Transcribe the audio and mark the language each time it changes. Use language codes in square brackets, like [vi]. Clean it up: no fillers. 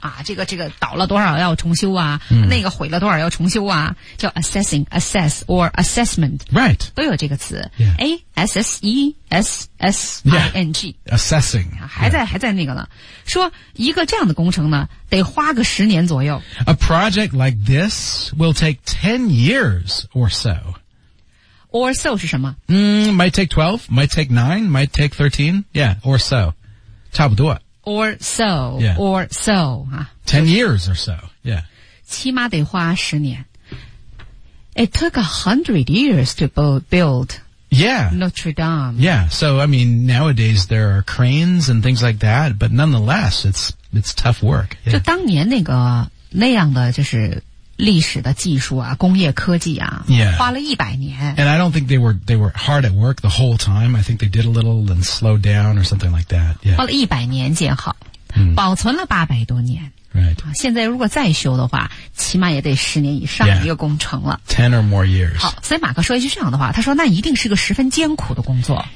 [zh] 啊这个倒了多少要重修啊、 mm-hmm. 那个毁了多少要重修啊叫 [en] assessing, assess, or assessment. Right. [zh] 都有这个词、 [en] yeah. A-S-S-E-S-S-I-N-G.、 Yeah. Assessing. [zh] 还在那个呢。说一个这样的工程呢得花个十年左右。 [en] A project like this will take 10 years or so. [zh] Or so 是什么、 [en] mm, Might take 12, might take 9, might take 13. Yeah, or so. [zh] 差不多。 [en] Or so,、 yeah. or so.、啊、 10 years or so, yeah. [zh] 起码得花十年。 [en] It took 100 years to build. Yeah. Notre Dame. Yeah. So, I mean, nowadays there are cranes and things like that, but nonetheless, it's tough work. Yeah. [zh] 就当年那个那样的就是历史的技术啊，工业科技啊， [en] yeah. [zh] 花了一百年。 [en] And I don't think they were hard at work the whole time. I think they did a little and slowed down or something like that. Yeah. [zh] 花了一百年建好，保存了八百多年。 [en] Right. [zh] 现在如果再修的话起码也得十年以上一个工程了。 [en] Yeah. Ten or more years. [zh] 好，所以马克说一句这样的话，他说那一定是个十分艰苦的工作。